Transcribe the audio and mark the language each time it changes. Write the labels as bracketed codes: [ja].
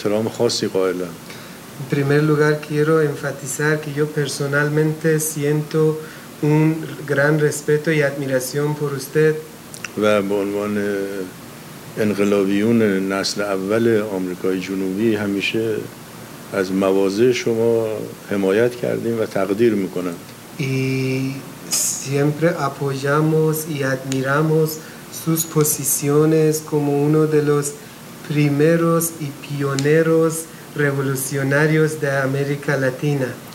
[es] En primer lugar, quiero enfatizar que yo personalmente siento un gran respeto y admiración por usted. [fa] و به عنوان انقلابیون نسل اول آمریکای جنوبی همیشه از مواضع شما حمایت کردیم و تقدیر میکنم. [es] Y siempre apoyamos y admiramos sus posiciones como uno de los primeros y pioneros revolucionarios de América Latina.